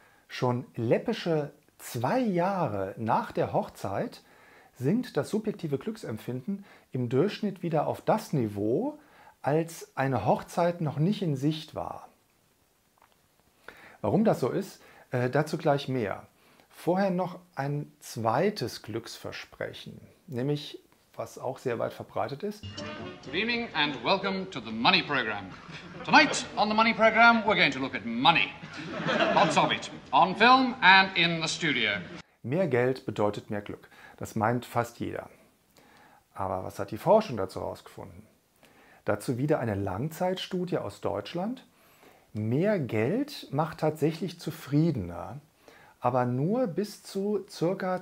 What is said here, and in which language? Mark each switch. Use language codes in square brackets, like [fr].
[de] Schon läppische 2 Jahre nach der Hochzeit sinkt das subjektive Glücksempfinden im Durchschnitt wieder auf das Niveau, als eine Hochzeit noch nicht in Sicht war. Warum das so ist, dazu gleich mehr. Vorher noch ein zweites Glücksversprechen, nämlich, was auch sehr weit verbreitet ist. [en] Good evening and welcome to the Money Program. Tonight on the Money Program we're going to look at money. Lots of it. On film and in the studio. [de] Mehr Geld bedeutet mehr Glück. Das meint fast jeder. Aber was hat die Forschung dazu herausgefunden? Dazu wieder eine Langzeitstudie aus Deutschland. Mehr Geld macht tatsächlich zufriedener, aber nur bis zu ca.